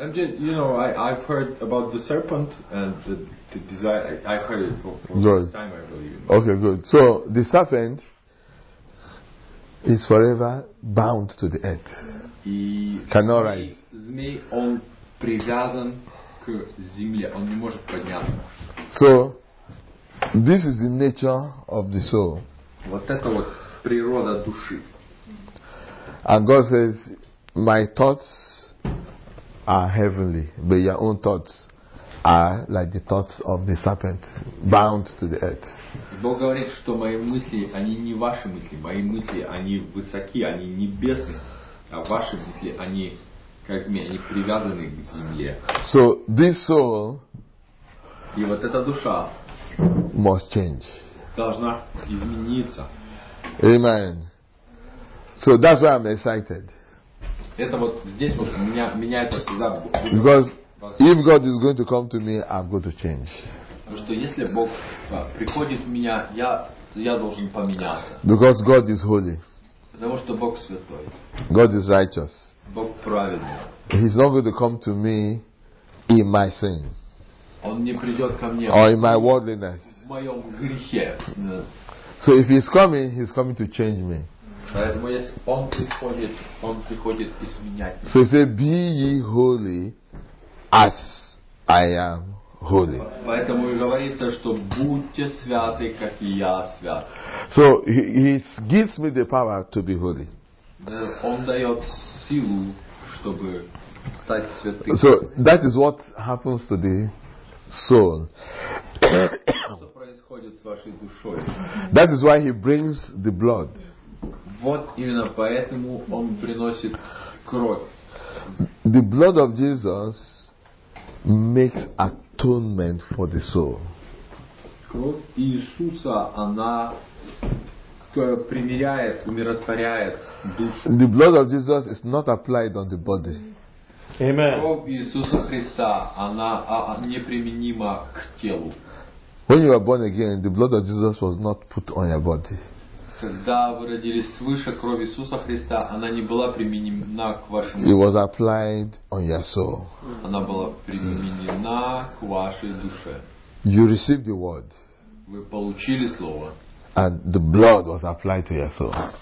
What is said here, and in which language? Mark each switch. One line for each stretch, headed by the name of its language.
English: I'm just, you know, I've heard about the serpent and the desire. I heard it for the first time, I believe. Okay, good. So the serpent is forever bound to the earth. Cannot rise.
Russian: Змей, он привязан к земле, он не может подняться.
English: So, this is the nature of the soul.
Russian: Вот это вот природа души.
English: And God says, my thoughts are heavenly, but your own thoughts are like the thoughts of the serpent, bound to the earth.
Russian: Бог говорит, что мои мысли, они не ваши мысли, мои мысли, они высоки, они небесны, а ваши мысли, они... Как змеи, они привязаны к земле.
English: So this soul,
Russian: и вот эта душа,
English: must change.
Russian: Должна измениться.
English: Amen. So that's why I'm excited.
Russian: Это вот здесь вот меня это всегда будет.
English: Because if God is going to come to me, I'm going to change.
Russian: Потому что если Бог приходит в меня, я должен поменяться.
English: Because God is holy.
Russian: Потому что Бог святой.
English: God is righteous.
Russian: Бог праведный.
English: He's not going to come to me in my sin.
Russian: Он не придет ко мне.
English: Or in my worldliness.
Russian: В моем грехе. Yeah.
English: So if he's coming, he's coming to change me.
Russian: Поэтому если он приходит изменять меня.
English: So he said, be ye holy as I am holy.
Russian: Поэтому и говорится, что будьте святы, как и я свят.
English: So he gives me the power to be holy.
Russian: Он дает силу, чтобы стать святым.
English: So that is what happens to the soul.
Russian: Что происходит с вашей душой?
English: That is why he brings the blood.
Russian: Вот именно поэтому он приносит кровь.
English: The blood of Jesus makes atonement for the soul.
Russian: Кровь Иисуса, она примиряет, умиротворяет душу.
English: The blood of Jesus is not applied on the body. Amen.
Russian: Кровь Иисуса Христа, она неприменима к телу.
English: When you were born again, the blood of Jesus was not put on your body.
Russian: Когда вы родились свыше, кровь Иисуса Христа, она не была применена к вашему телу.
English: It was applied on your soul.
Russian: Она была применена к вашей душе.
English: You received the word.
Russian: Вы получили слово.
English: And the blood was applied to your soul.